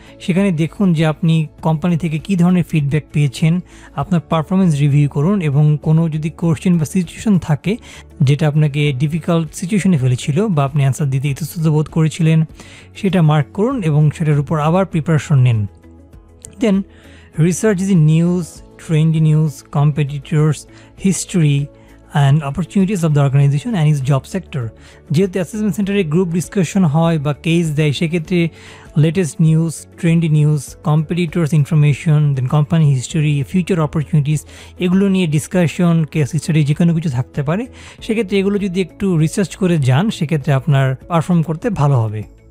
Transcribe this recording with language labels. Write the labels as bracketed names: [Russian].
[Bangla] সেখানে দেখুন যে আপনি কোম্পানি থেকে কী ধরনের ফিডব্যাক পেয়েছেন, আপনার পারফরমেন্স রিভিউ করুন এবং কোনো যদি কোশ্চেন বা সিচুয়েশন থাকে যেটা আপনাকে ডিফিকাল্ট সিচুয়েশনে ফেলেছিল বা আপনি অ্যান্সার দিতে ইতস্তত বোধ করেছিলেন, সেটা মার্ক করুন এবং সেটার উপর আবার প্রিপারেশন নিন। [English] Then research is news, trendy news, competitors, history and opportunities of the organization and its job sector. [Bangla] যেহেতু অ্যাসেসমেন্ট সেন্টারে গ্রুপ ডিসকাশন হয় বা কেস দেয়, সেক্ষেত্রে latest news, trendy news, competitors information, দেন কোম্পানি হিস্টোরি, ফিউচার অপরচুনিটিস, এগুলো নিয়ে discussion, case history, যে কোনো কিছু থাকতে পারে, সেক্ষেত্রে এগুলো যদি একটু রিসার্চ করে যান সেক্ষেত্রে আপনার পারফর্ম করতে ভালো হবে।